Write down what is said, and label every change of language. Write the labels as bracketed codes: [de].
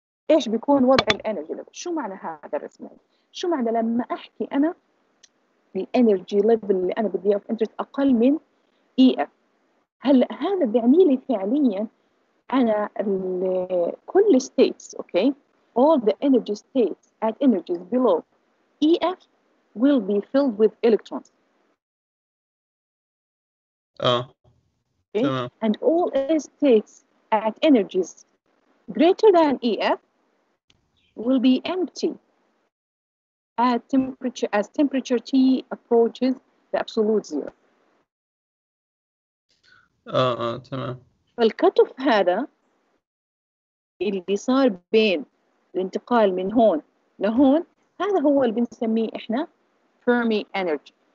[ar] إيش بيكون وضع الانرجي level؟ شو معنى هذا الرسم؟ شو معنى لما أحكي أنا الانرجي level اللي أنا بدي أوف انترست أقل من EF؟ هل هذا بيعني لي فعلياً أنا كل states, okay, [en] all the energy states at energies below EF will be filled with electrons. Okay. And all states at energies greater than EF will be empty at temperature as temperature T approaches the absolute zero. [ar] تمام. فالكتوف هذا اللي صار بين الانتقال من هون لهون هذا هو اللي بنسميه إحنا Fermi energy.